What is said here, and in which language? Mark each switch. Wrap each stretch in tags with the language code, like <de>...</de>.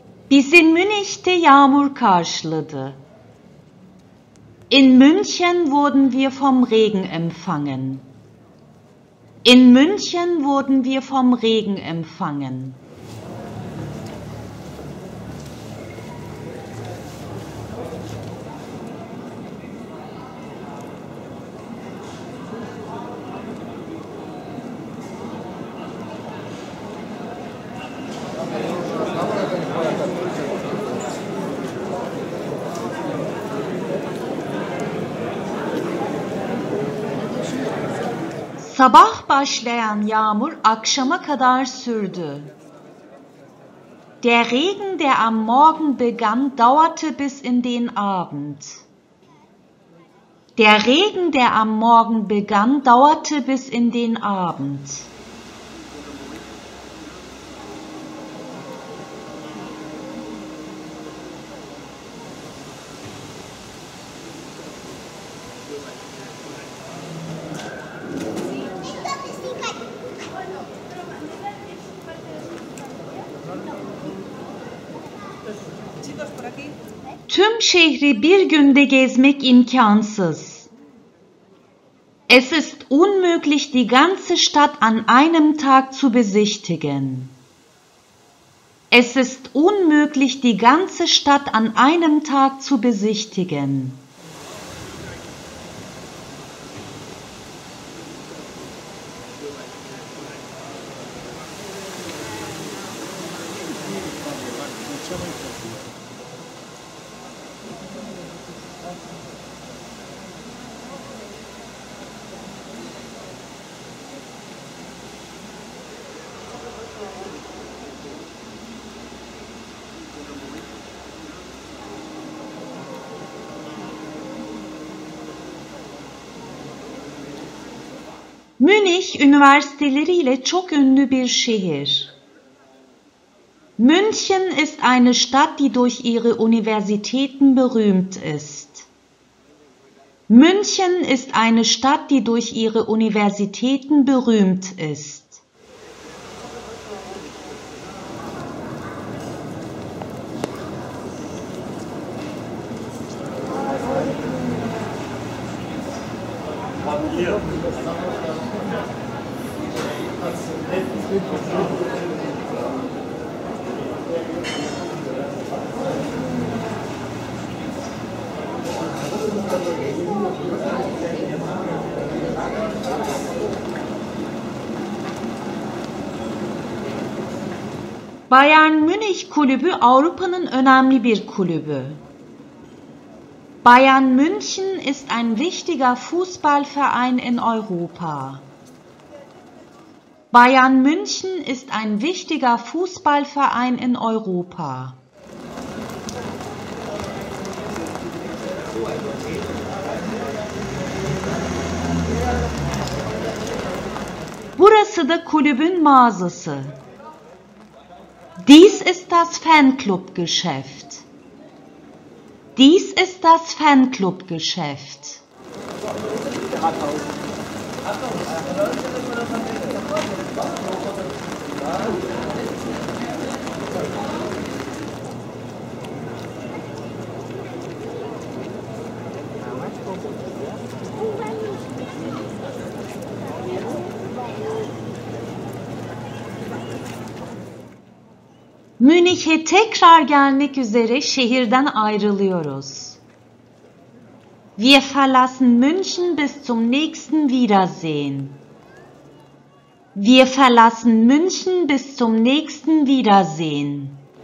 <tr>Bizi Münih'te yağmur karşıladı.</tr> <de>In München wurden wir vom Regen empfangen. In München wurden wir vom Regen empfangen.</de> <tr>Sabah başlayan yağmur akşama kadar sürdü.</tr> <de>Der Regen, der am Morgen begann, dauerte bis in den Abend. Der Regen, der am Morgen begann, dauerte bis in den Abend.</de> <tr>Tüm şehri bir günde gezmek imkansız.</tr> <de>Es ist unmöglich, die ganze Stadt an einem Tag zu besichtigen. Es ist unmöglich, die ganze Stadt an einem Tag zu besichtigen.</de> <tr>Münih üniversiteleriyle çok ünlü bir şehir.</tr> <de>München ist eine Stadt, die durch ihre Universitäten berühmt ist. München ist eine Stadt, die durch ihre Universitäten berühmt ist.</de> <tr>Bayern Münih Kulübü Avrupa'nın önemli bir kulübü.</tr> <de>Bayern München ist ein wichtiger Fußballverein in Europa. Bayern München ist ein wichtiger Fußballverein in Europa.</de> <tr>Burası da kulübün mağazası.</tr> <de>Dies ist das Fanclub-Geschäft. Dies ist das Fanclub-Geschäft.</de> <tr>Münih'e tekrar gelmek üzere şehirden ayrılıyoruz.</tr> <de>Wir verlassen München bis zum nächsten Wiedersehen. Wir verlassen München bis zum nächsten Wiedersehen.</de>